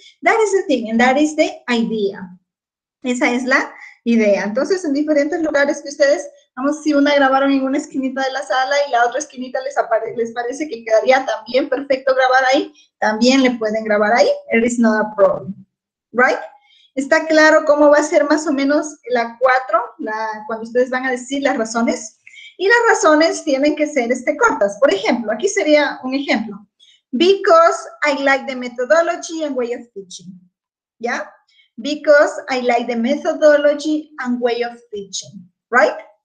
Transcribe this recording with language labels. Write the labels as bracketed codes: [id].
[en] That is the thing, and that is the idea. [es] Esa es la idea. Entonces, en diferentes lugares que ustedes, vamos, si una grabaron en una esquinita de la sala y la otra esquinita les parece que quedaría también perfecto grabar ahí, también le pueden grabar ahí. [en] It is not a problem. Right? [es] ¿Está claro cómo va a ser más o menos la 4, cuando ustedes van a decir las razones? Y las razones tienen que ser cortas. Por ejemplo, aquí sería un ejemplo. [en] Because I like the methodology and way of teaching. ¿Ya? Because I like the methodology and way of teaching, right?